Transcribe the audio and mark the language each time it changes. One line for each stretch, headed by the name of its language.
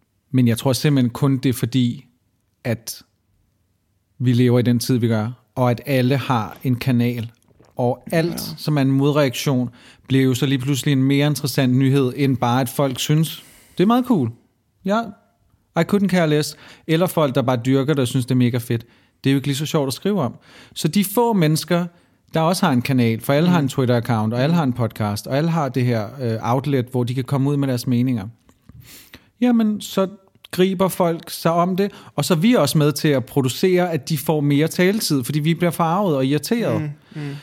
Danish: Men jeg tror simpelthen kun det er fordi, at vi lever i den tid, vi gør, og at alle har en kanal, og alt som er en modreaktion, bliver jo så lige pludselig en mere interessant nyhed, end bare at folk synes, det er meget cool.
English: Ja, yeah, I couldn't care less.
Danish: Eller folk, der bare dyrker det og synes, det er mega fedt. Det er jo ikke lige så sjovt at skrive om. Så de få mennesker, der også har en kanal, for alle har en Twitter-account, og alle har en podcast, og alle har det her outlet, hvor de kan komme ud med deres meninger. Jamen, så griber folk sig om det, og så er vi også med til at producere, at de får mere taletid, fordi vi bliver farvet og irriteret. Mm, mm.